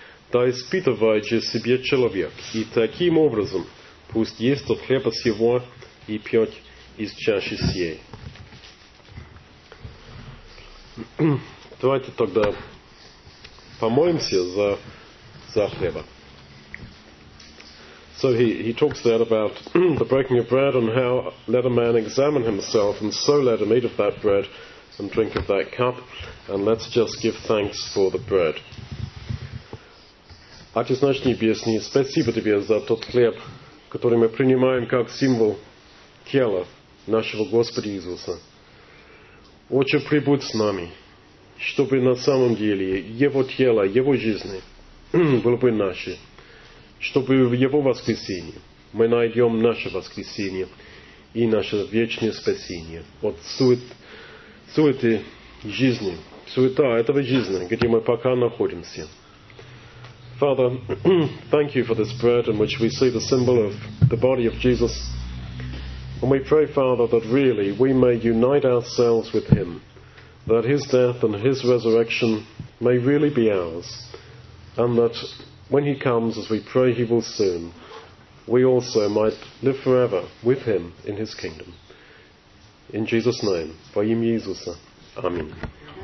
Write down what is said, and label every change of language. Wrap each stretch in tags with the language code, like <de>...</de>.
<ru>Да испытывает же себе человек, и таким образом пусть ест от хлеба сего и пьет из чаши сей». Давайте тогда помолимся за хлеба.</ru> <en>So he talks there about the breaking of bread and how let a man examine himself, and so let him eat of that bread and drink of that cup, and let's just give thanks for the bread.</en> <ru>Отец наш небесный, спасибо тебе за тот хлеб, который мы принимаем как символ тела нашего Господа Иисуса. Отче, прибудь с нами, чтобы на самом деле Его тело, Его жизнь было бы наше, чтобы в Его воскресенье мы найдем наше воскресенье и наше вечное спасение от суеты жизни, суета этого жизни, где мы пока находимся.</ru> <en>Father, thank you for this bread in which we see the symbol of the body of Jesus. And we pray, Father, that really we may unite ourselves with Him, that His death and His resurrection may really be ours, and that when He comes, as we pray He will soon, we also might live forever with Him in His kingdom. In Jesus' name,</en> <ru>во имя Иисуса.</ru> <en>Amen.</en>